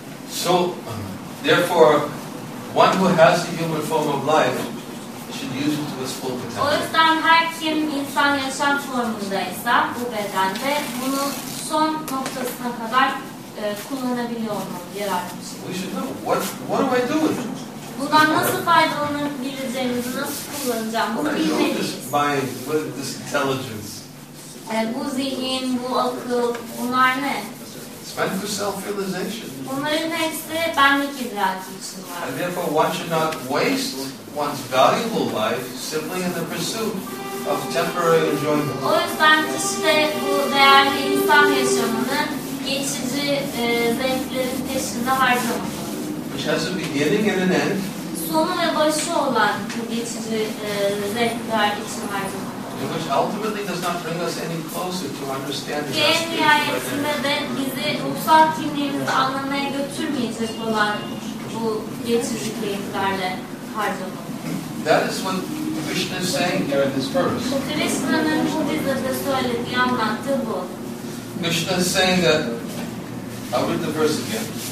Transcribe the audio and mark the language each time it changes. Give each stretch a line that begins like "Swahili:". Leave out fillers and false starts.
English: So, therefore, one who has the human form of life should use it to its full potential.
Turkish: O yüzden her kim insan yaşam formundaysa bu bedende bunu son noktasına kadar kullanabiliyor olmalı, yararlanmalı.
English: We should know. What do I do with it?
Turkish: Bundan nasıl faydalanabileceğimizi, nasıl kullanacağım, bunu bilmeliyiz.
English: What is this intelligence?
Turkish: Bu zihin, bu akıl, bunlar ne?
English: Spend for self-realization.
Turkish: Bunların hepsi benlik idraki için var.
English: And therefore one should not waste one's valuable life simply in the pursuit of temporary enjoyment.
Turkish: O yüzden işte bu değerli insan yaşamını geçici zevklerin peşinde harcamak.
English: Which has a beginning and an end.
Turkish: Sonu ve başı olan bu geçici zevkler için harcamak.
English: Which ultimately does not bring us any closer to understanding our spiritual identity.
Turkish: En nihayetinde de bizi ruhsal kimliğimizi anlamaya götürmeyecek olan bu geçici keyiflerle harcamak.
English: That is what Krishna is saying here in this verse.
Turkish: Krishna'nın bu bizde söylediği anlattı bu.
English: Krishna is saying that, I'll read the verse again.